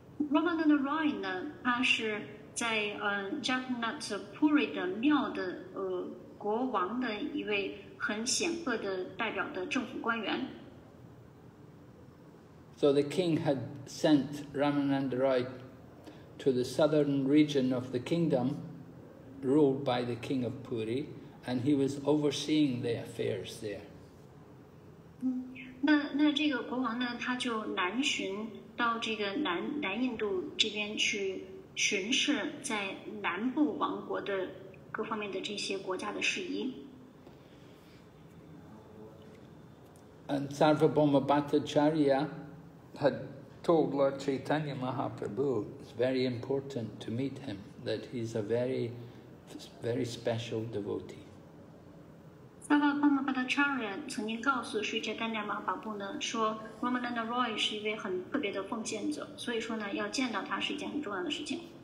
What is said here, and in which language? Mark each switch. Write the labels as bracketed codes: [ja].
[zh] Ramananda Rai 呢，他是在Jagannath Puri 的庙的国王的一位很显赫的代表的政府官员。 [en] So the king had sent Ramananda Rai to the southern region of the kingdom ruled by the king of Puri, and he was overseeing the affairs there. [zh] 那这个国王呢，他就南巡到这个南印度这边去巡视在南部王国的各方面的这些国家的事宜。 [en] And Sarvabhauma Bhattacharya had told Lord Chaitanya Mahaprabhu, it's very important to meet him, that he's a very, very special devotee. [zh] Sarvabhauma Bhattacharya 曾经告诉 Sri Chaitanya Mahaprabhu 呢，说 Ramananda Roy 是一位很特别的奉献者，所以说呢，要见到他是一件很重要的事情。